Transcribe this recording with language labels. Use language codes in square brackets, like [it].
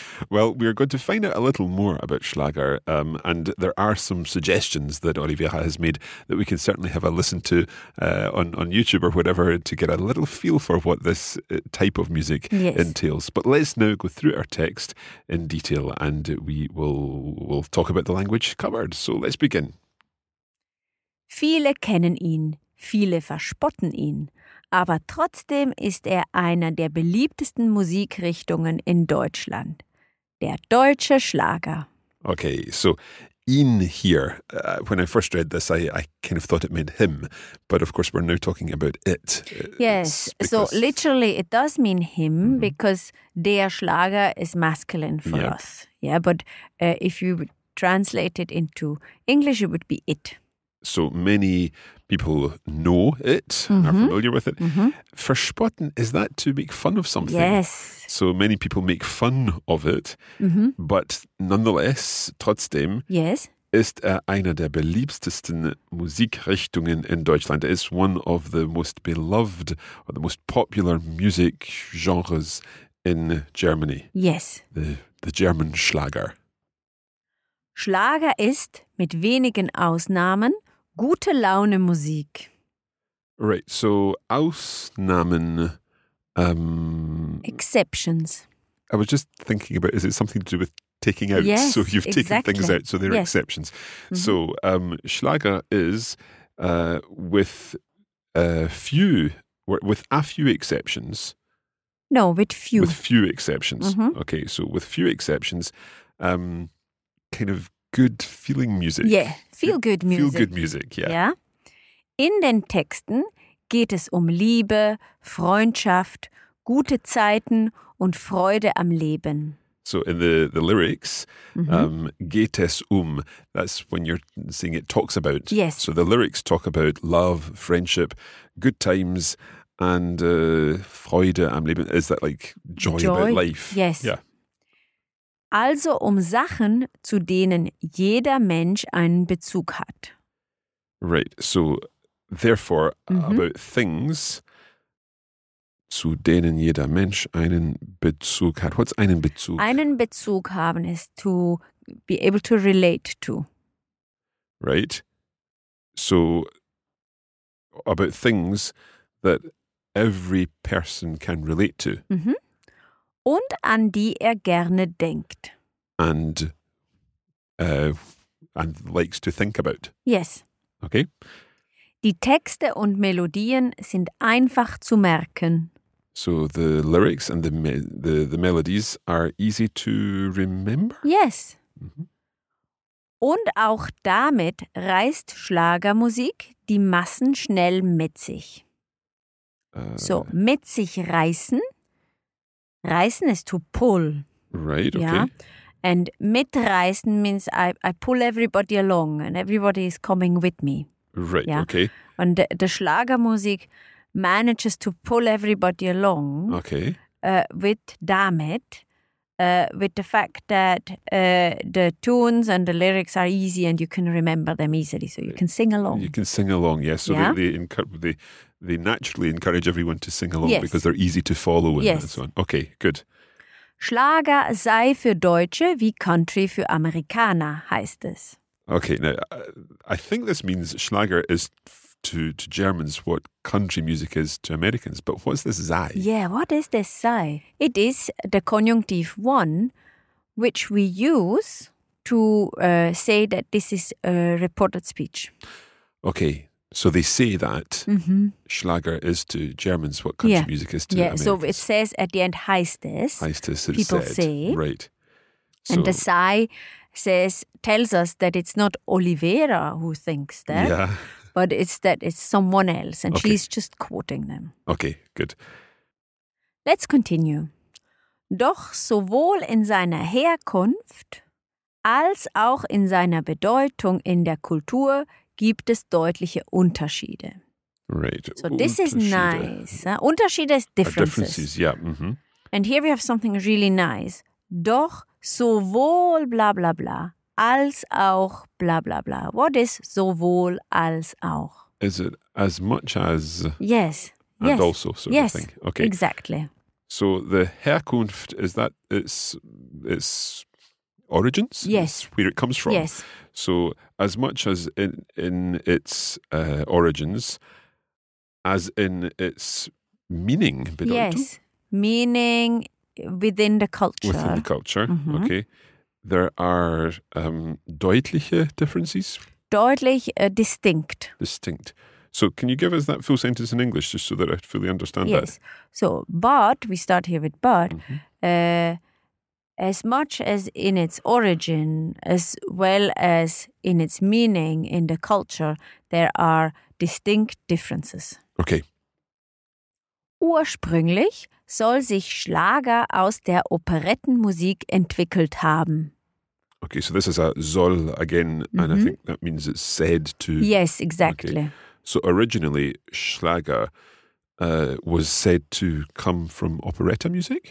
[en] Well, we're going to find out a little more about Schlager, and there are some suggestions that Oliveira has made that we can certainly have a listen to on YouTube or whatever to get a little feel for what this type of music entails. But let's now go through our text in detail, and we'll talk about the language covered. So let's begin. [de] Viele kennen ihn, viele verspotten ihn. Aber trotzdem ist er einer der beliebtesten Musikrichtungen in Deutschland. Der deutsche Schlager. [en] Okay, so ihn here. When I first read this, I kind of thought it meant him. But of course, we're now talking about it. Yes, so literally it does mean him, mm-hmm. because der Schlager is masculine for us. Yeah, but if you would translate it into English, it would be it. So many people know it, mm-hmm. are familiar with it. Mm-hmm. Verspotten, is that to make fun of something? Yes. So many people make fun of it. Mm-hmm. But nonetheless, trotzdem, yes. [de] ist er einer der beliebtesten Musikrichtungen in Deutschland. [en] It's one of the most beloved or the most popular music genres in Germany. Yes. The German Schlager. [de] Schlager ist, mit wenigen Ausnahmen, gute Laune Musik. [en] Right, so Ausnahmen. Exceptions. I was just thinking about, is it something to do with taking out? Yes, so you've exactly. taken things out, so they're yes. exceptions. Mm-hmm. So Schlager is with a few exceptions. No, with few. With few exceptions. Mm-hmm. Okay, so with few exceptions, kind of good feeling music. Yeah, feel good music. Feel good music, yeah. Yeah. [de] In den Texten geht es Liebe, Freundschaft, gute Zeiten und Freude am Leben. [en] So in the lyrics, mm-hmm. [de] Geht es [en] that's when you're saying it talks about. Yes. So the lyrics talk about love, friendship, good times and [de] Freude am Leben. [en] Is that like joy about life? Yes. Yeah. [de] Also Sachen, zu denen jeder Mensch einen Bezug hat. [en] Right, so therefore mm-hmm. about things, [de] zu denen jeder Mensch einen Bezug hat. [en] What's einen Bezug? [de] Einen Bezug haben [en] is to be able to relate to. Right, so about things that every person can relate to. Mm-hmm. [de] Und an die er gerne denkt. [en] And likes to think about. Yes. Okay. [de] Die Texte und Melodien sind einfach zu merken. [en] So the lyrics and the melodies are easy to remember? Yes. Mm-hmm. [de] Und auch damit reißt Schlagermusik die Massen schnell mit sich. [en] So, [de] mit sich reißen. Reißen [en] is to pull. Right, okay. Yeah? And mitreißen means I pull everybody along and everybody is coming with me. Right, yeah? Okay. And the Schlagermusik manages to pull everybody along. Okay. With the fact that the tunes and the lyrics are easy and you can remember them easily, so you can sing along. You can sing along, yes. Yeah? So they naturally encourage everyone to sing along, yes, because they're easy to follow and yes, so on. Okay, good. [de] Schlager sei für Deutsche wie Country für Amerikaner, heißt es. [en] Okay, now I think this means Schlager is to Germans what country music is to Americans, but what's this sei? Yeah, what is this sei? It is the Konjunktiv 1, which we use to say that this is a reported speech. Okay, so they say that mm-hmm. Schlager is to Germans what country yeah. music is to yeah. Americans. Yeah, so it says at the end, [de] heißt es. Heißt es, [en] it people said. Say. Right. And so, the sei says, tells us that it's not Oliveira who thinks that. Yeah. But it's that it's someone else, and okay. she's just quoting them. Okay, good. Let's continue. [de] Doch sowohl in seiner Herkunft als auch in seiner Bedeutung in der Kultur gibt es deutliche Unterschiede. [en] Right. So this is nice. Unterschiede is differences. Differences, yeah. Mm-hmm. And here we have something really nice. [de] Doch sowohl bla bla bla. Als auch, bla bla bla. [en] What is sowohl als auch? Is it as much as? Yes. And yes. also sort yes. of thing. Yes, okay. Exactly. So the Herkunft, is that its origins? Yes. It's where it comes from. Yes. So as much as in its origins, as in its meaning. Bedeutung? Yes, meaning within the culture. Within the culture, mm-hmm. okay. There are deutliche differences. Deutlich distinct. Distinct. So can you give us that full sentence in English just so that I fully understand yes. that? Yes. So, but, we start here with but, mm-hmm. As much as in its origin, as well as in its meaning, in the culture, there are distinct differences. Okay. [de] Ursprünglich soll sich Schlager aus der Operettenmusik entwickelt haben. [en] Okay, so this is a soll again, mm-hmm. and I think that means it's said to... Yes, exactly. Okay. So originally, Schlager was said to come from operetta music?